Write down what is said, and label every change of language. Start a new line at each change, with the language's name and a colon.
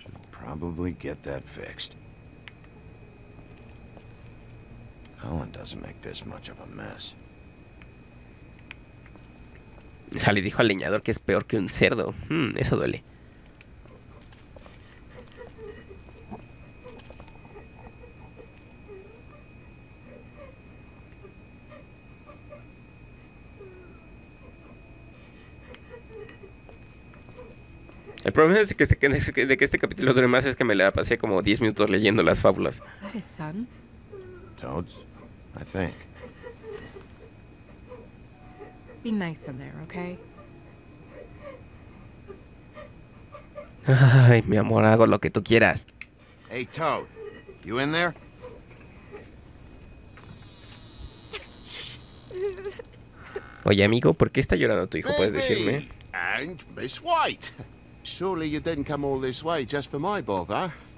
English: Probably get that fixed. Helen doesn't make this much of a mess.
Spanish: Le dijo al leñador que es peor que un cerdo. Eso duele. El problema es de que este capítulo dure más es que me la pasé como 10 minutos leyendo las fábulas.
English: Toads, I think. Be nice in there, okay?
Spanish: Ay, mi amor, hago lo que tú quieras.
English: Hey, Toad, you in there?
Spanish: Oye, amigo, ¿por qué está llorando tu hijo? ¿Puedes decirme?
English: And Miss White. Surely you didn't come all this way just for my bother.